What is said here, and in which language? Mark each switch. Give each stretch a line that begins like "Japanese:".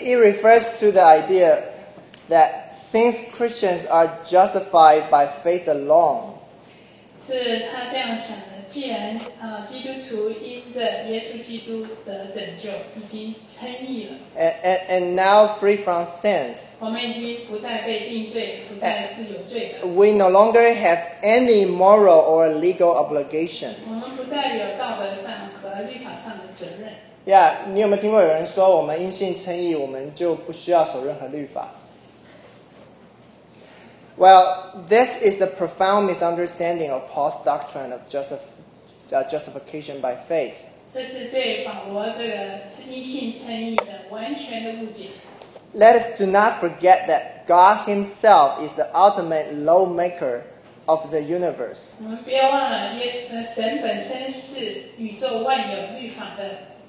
English: It refers to the idea that since Christians are justified by faith alone,
Chinese: 是他这样想的，既然基督徒因着耶稣基督的拯救已经称义了
English: and now free from sins,
Chinese: 我们已经不再被定罪，不再是有罪的
English: We no longer have any moral or legal obligation.
Chinese: 我们不再有道德上和律法上的责任。
English: Yeah,
Chinese: 你有没有听过有人说我们因信称义我们就不需要守任何律法
English: Well, this is a profound misunderstanding of Paul's doctrine of justification by faith
Chinese: 这是对保罗这个因信称义的完全的误解
English: Let us do not forget that God himself is the ultimate lawmaker of the universe
Chinese: 我们不要忘了耶稣神本身是宇宙万有律法的